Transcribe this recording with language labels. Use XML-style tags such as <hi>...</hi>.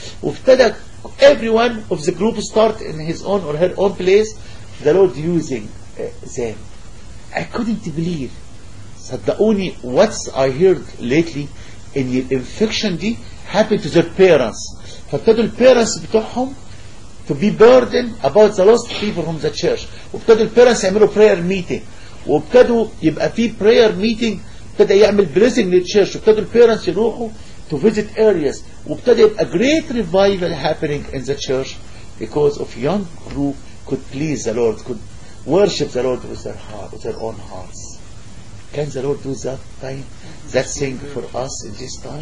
<ar>وابتدى</ar> <en>everyone of the group start in his own or her own place, the Lord using them. I couldn't believe.</en> <ar>صدقوني,</ar> <en>what I heard lately in the infection</en> <ar>دي</ar> <en>happened to their parents.</en> <ar>فابتدوا ال</ar> <en>parents</en> <ar>بتوعهم</ar> <en>to be burdened about the lost people from the church.</en> <ar>وابتدوا ال parents يعملوا prayer meeting. وابتدوا يبقى في prayer meeting, ابتدى يعمل blessing للchurch. وابتدوا ال</ar> <en>parents</en> <ar>يروحوا</ar> <en>to visit areas.</en> <ar>وابتدى يبقى</ar> <en>great revival happening in the church because of young group could please the Lord, could worship the Lord with their heart, with their own hearts. Can the Lord do that time, that thing for us in this time?</en>